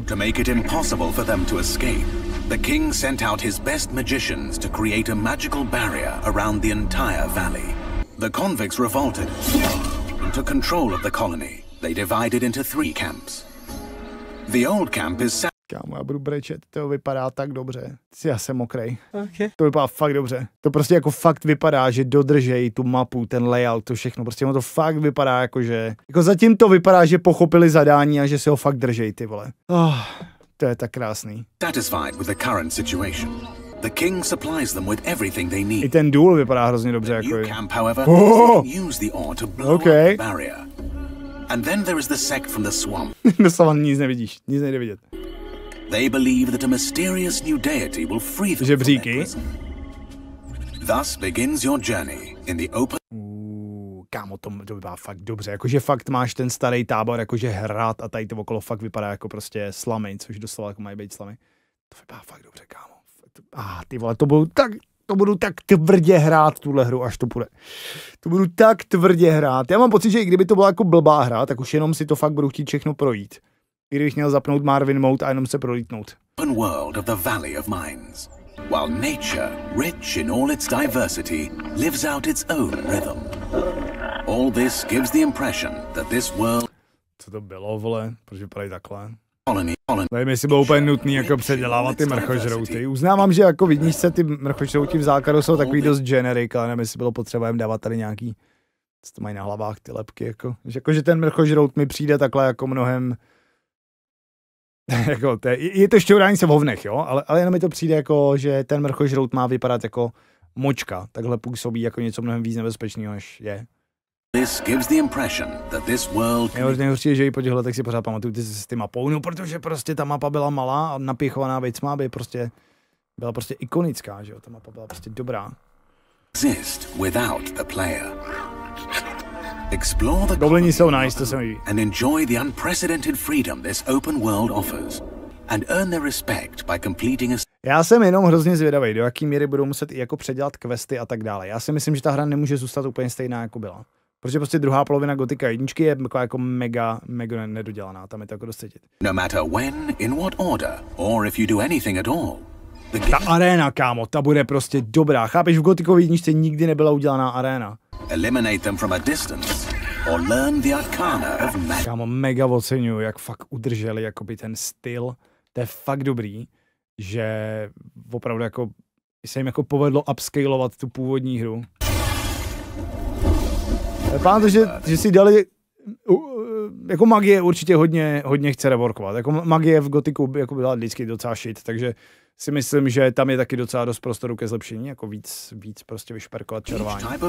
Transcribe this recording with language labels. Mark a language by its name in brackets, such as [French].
[English] To make it impossible for them to escape, the king sent out his best magicians to create a magical barrier around the entire valley. The convicts revolted and took control of the colony. They divided into three camps. The old camp is... [Czech] Kámo, já budu brečet, to vypadá tak dobře. Já jsem mokrej. [English] Okay. [Czech] To vypadá fakt dobře. To prostě jako fakt vypadá, že dodržej tu mapu, ten layout, to všechno. Prostě ono to fakt vypadá jako, že... Jako zatím to vypadá, že pochopili zadání a že se ho fakt držej, ty vole. Oh, to je tak krásný. [English] Satisfied with the current situation. The king supplies them with everything they need. [Czech] I ten důl vypadá hrozně dobře, jako je. [English] Camp, however, use the ore to blow up the barrier. And then there is the sect from the swamp. [Czech] Doslova nic nevidíš, nic nejde vidět. [English] They believe that a mysterious new deity will free them. [Czech] Žebříky. [English] Thus begins your journey in the open. [Czech] Kámo, to vypadá fakt dobře. Jakože fakt máš ten starý tábor, jakože hrát a tady to okolo fakt vypadá jako prostě slamy, což doslova jako mají být slamy. To vypadá fakt dobře, kámo. Ty vole, to budu tak tvrdě hrát tuhle hru, až to půjde. To budu tak tvrdě hrát. Já mám pocit, že i kdyby to byla jako blbá hra, tak už jenom si to fakt budu chtít všechno projít. Kdybych měl zapnout Marvin Mode a jenom se prolítnout. [English] Open world of the Valley of Mines. While nature, rich in all its diversity, lives out its own rhythm. All this gives the impression that this world... [Czech] Co to bylo, vole? Proč vypadají takhle? Nevím, jestli bylo úplně nutný jako předělávat ty mrchožrouty. Uznávám, že jako vidíš se, ty mrchožrouti v základu jsou takový dost generic, ale nevím, jestli bylo potřeba jim dávat tady nějaký, co to mají na hlavách, ty lepky, jako. Že ten mrchožrout mi přijde takhle jako mnohem, jako, to je to šťourání se v hovnech, jo, ale jenom mi to přijde jako, že ten mrchožrout má vypadat jako močka, takhle působí jako něco mnohem víc nebezpečného, než je. [English] This gives the impression that this world... [Czech] Nejhorší je, že i po těchto letech si pořád pamatuju ty mapou, no protože prostě ta mapa byla malá a napěchovaná věcma by prostě byla prostě ikonická, že jo, ta mapa byla prostě dobrá. [English] Exist without the player. Explore the... [Czech] Goblini jsou nice, to se mi ví. [English] And enjoy the unprecedented freedom this open world offers. And earn their respect by completing a... [Czech] Já jsem jenom hrozně zvědavý, do jaký míry budou muset i jako předělat questy a tak dále. Já si myslím, že ta hra nemůže zůstat úplně stejná, jako byla. Protože prostě druhá polovina Gothica jedničky je jako mega nedodělaná, tam je to jako dost cítit. [English] No matter when, in what order, or if you do anything at all, the game... [Czech] Ta arena, kámo, ta bude prostě dobrá, chápeš, v Gothicové jedničce nikdy nebyla udělaná arena. [English] Eliminate them from a distance, or learn the arcana of magic. [Czech] Kámo, mega oceňuju, jak fakt udrželi jakoby ten styl, to je fakt dobrý, že opravdu jako se jim jako povedlo upscalovat tu původní hru. Pán to, že si dali, jako magie určitě hodně chce reworkovat, jako magie v Gothicu jako byla vždycky docela shit, takže si myslím, že tam je taky docela dost prostoru ke zlepšení, jako víc prostě vyšperkovat červání.